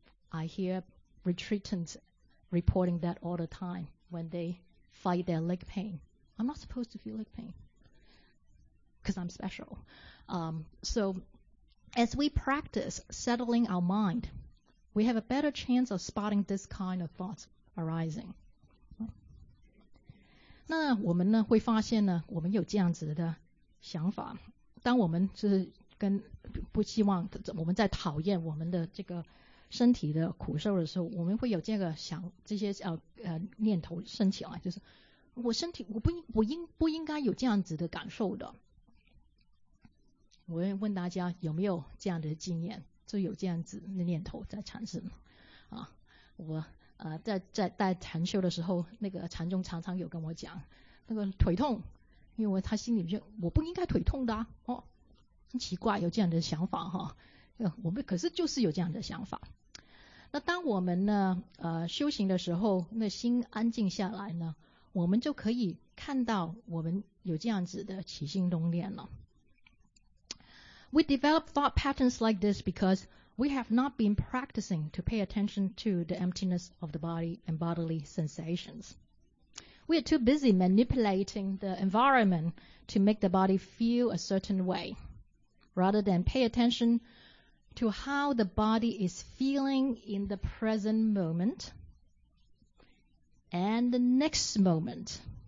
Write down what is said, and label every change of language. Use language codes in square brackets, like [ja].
[en] I hear retreatants reporting that all the time when they fight their leg pain. I'm not supposed to feel leg pain because I'm special. So as we practice settling our mind, we have a better chance of spotting this kind of thoughts arising. [zh] 那我们呢会发现呢，我们有这样子的想法。当我们就是跟不希望我们在讨厌我们的这个身体的苦受的时候，我们会有这个想这些念头升起来，就是我身体我不应该有这样子的感受的。我会问大家有没有这样的经验，就有这样子的念头在产生。啊，我在禅修的时候，那个禅宗常常有跟我讲，那个腿痛，因为他心里就我不应该腿痛的啊，哦，很奇怪有这样的想法哈，我们可是就是有这样的想法。那当我们呢修行的时候，那心安静下来呢，我们就可以看到我们有这样子的起心动念了。 [en] We develop thought patterns like this because we have not been practicing to pay attention to the emptiness of the body and bodily sensations. We are too busy manipulating the environment to make the body feel a certain way, rather than pay attention to how the body is feeling in the present moment and the next moment.